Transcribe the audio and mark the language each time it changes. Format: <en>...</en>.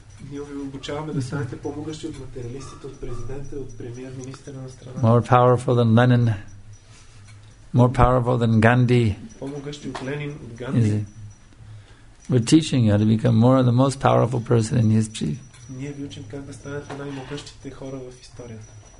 <bg>Ние ви обучаваме да станете по-могъщи от материалистите, от президента, от премиер-министъра на страната.</bg> <en>More powerful than Lenin. More powerful than Gandhi.</en> <bg>По-могъщи от Ленин, от Ганди.</bg> <en>We're teaching you how to become more of the most powerful person in history.</en> <bg>Ние ви учим как да станете най-могъщите хора в историята.</bg>